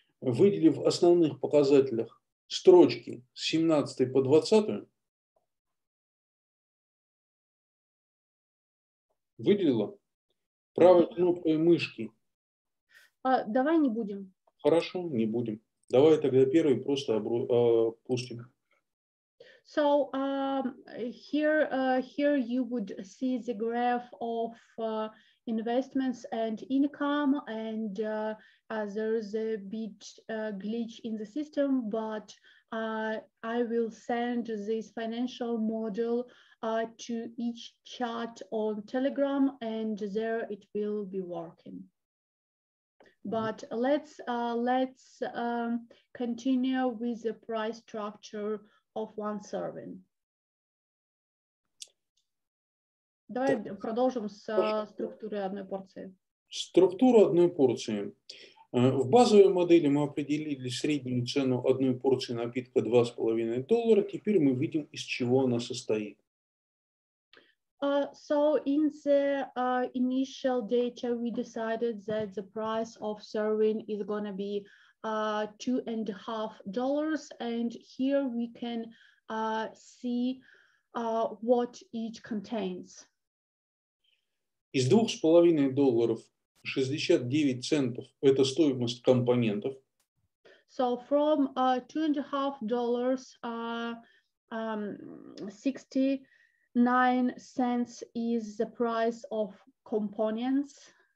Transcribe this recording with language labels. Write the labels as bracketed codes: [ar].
[ru] Выдели в основных показателях строчки с 17 по 20. Выделила? Правой кнопкой мышки. Давай не будем. Хорошо, не будем. Давай тогда первый просто пустим. [en] So here you would see the graph of investments and income, and there is a bit glitch in the system, but I will send this financial model to each chat on Telegram, and there it will be working. But let's continue with the price structure of one serving. [ru] Давай продолжим с структурой одной порции. Структура одной порции. В базовой модели мы определили среднюю цену одной порции напитка $2.50. Теперь мы видим, из чего она состоит. [en] So in the initial data, we decided that the price of serving is going to be $2.50. And here we can see what each contains. [ru] Из $2.50, 69 центов – это стоимость компонентов. [en] So from $2.50, 69 cents is the price of components.